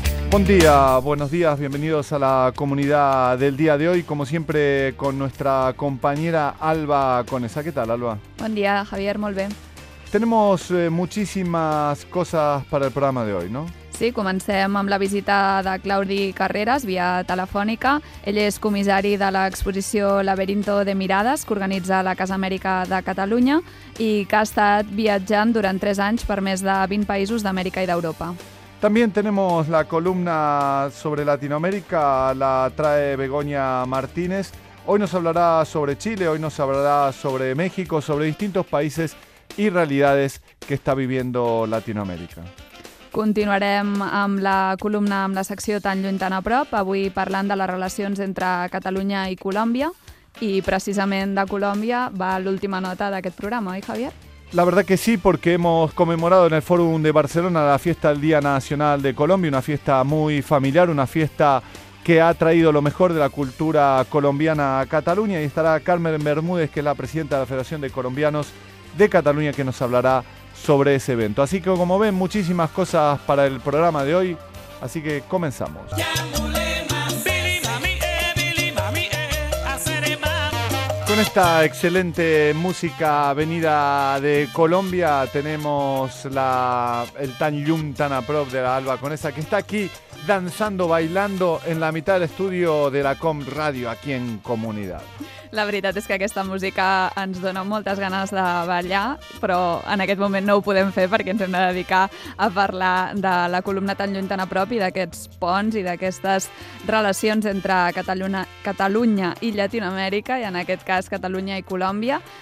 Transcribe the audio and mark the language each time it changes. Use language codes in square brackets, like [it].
[es] Buen día, buenos días, bienvenidos a la comunidad del día de hoy, como siempre con nuestra compañera Alba Conesa. ¿Qué tal, Alba? Buen día, Javier, muy bien. Tenemos muchísimas cosas para el programa de hoy, ¿no? [ca] Sí, comencem amb la visita de Claudi Carreras via telefònica. Ell és comissari de l'exposició Laberinto de Mirades, que organitza la Casa Amèrica de Catalunya i que ha estat viatjant durant 3 anys per més de 20 països d'Amèrica i d'Europa. [es] También tenemos la columna sobre Latinoamérica, la trae Begoña Martínez. Hoy nos hablará sobre Chile, hoy nos hablará sobre México, sobre distintos países y realidades que está viviendo Latinoamérica. [ca] Continuarem amb la columna, amb la secció Tan lluny, tan a prop, avui parlant de les relacions entre Catalunya i Colòmbia, i precisament de Colòmbia va l'última nota d'aquest programa, oi, Javier? [es] La verdad que sí, porque hemos conmemorado en el Fórum de Barcelona la fiesta del Día Nacional de Colombia, una fiesta muy familiar, una fiesta que ha traído lo mejor de la cultura colombiana a Cataluña, y estará Carmen Bermúdez, que es la presidenta de la Federación de Colombianos de Cataluña, que nos hablará sobre ese evento. Así que, como ven, muchísimas cosas para el programa de hoy, así que comenzamos. Con esta excelente música venida de Colombia, tenemos el Tan lluny, tan a prop de la Alba Conesa, que está aquí danzando, bailando en la mitad del estudio de la Com Radio, aquí en Comunidad. [ca] La veritat és que aquesta música ens dona moltes ganes de ballar, però en aquest moment no ho podem fer perquè ens hem de dedicar a parlar de la columna Tan lluny, tan a prop, i d'aquests ponts i d'aquestes relacions entre Catalunya i Llatinoamèrica, i en aquest cas Catalunya i Colòmbia,